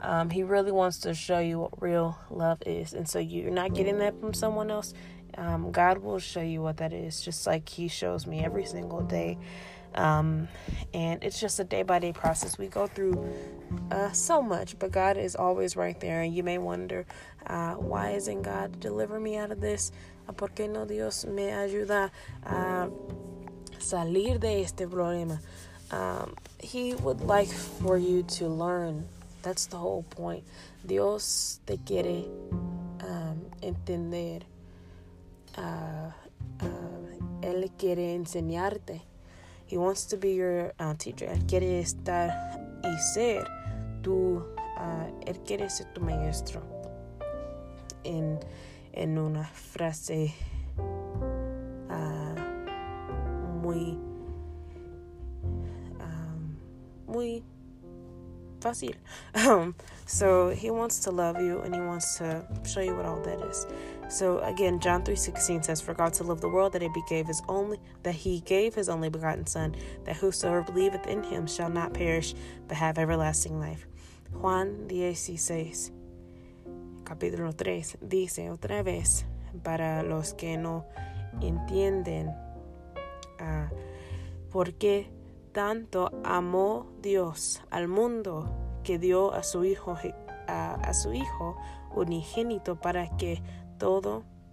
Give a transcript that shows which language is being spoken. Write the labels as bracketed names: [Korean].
[English] He really wants to show you what real love is. And so you're not getting that from someone else, God will show you what that is, just like he shows me every single day. And it's just a day-by-day process. We go through so much, but God is always right there. And you may wonder, why isn't God deliver me out of this? [Spanish] ¿Por qué no Dios me ayuda a salir de este problema? [English] He would like for you to learn. That's the whole point. [Spanish] Dios te quiere entender. Él quiere enseñarte. [English] He wants to be your teacher. [Spanish] Él quiere estar y ser tu, él quiere ser tu maestro. En una frase muy fácil. [English] So he wants to love you and he wants to show you what all that is. So again, John 3:16 says, "For God so loved the world that he gave his only begotten Son, that whosoever believeth in him shall not perish but have everlasting life." [Spanish] Juan 16, capítulo 3, dice otra vez, para los que no entienden, porque tanto amó Dios al mundo que dio a su hijo unigénito para que todo